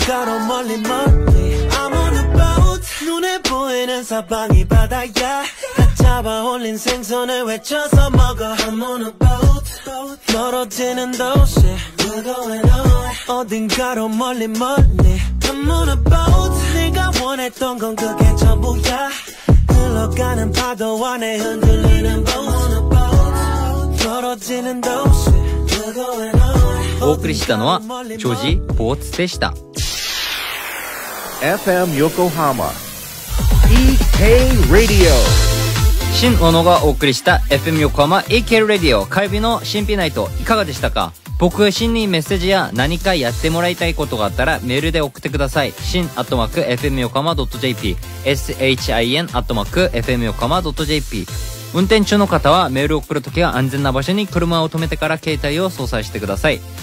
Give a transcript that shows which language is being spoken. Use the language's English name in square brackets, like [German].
[Korean] 어딘가로 멀리 멀리 [English] I'm on a boat [Korean] 눈에 보이는 사방이 바다야 다 잡아올린 생선을 외쳐서 먹어 I'm on a boat 멀어지는 도시 [English] We're going on. [Korean] 어딘가로 멀리 멀리 [English] I'm on a boat [Korean] 내가 원했던 건 그게 전부야 흘러가는 파도와 내 흔들리는 I'm on a boat 멀어지는 도시 [English] We're going on. [Japanese] お送りしたのはジョージ・ボーツでした。 FM 横浜 EK Radio 新小野がお送りした FM 横浜 EK Radio 火曜日の神秘ナイトいかがでしたか。僕は新にメッセージや何かやってもらいたいことがあったらメールで送ってください。新アットマーク FM 横浜 .jp SHIN アットマーク FM 横浜 .jp 運転中の方はメールを送るときは安全な場所に車を止めてから携帯を操作してください。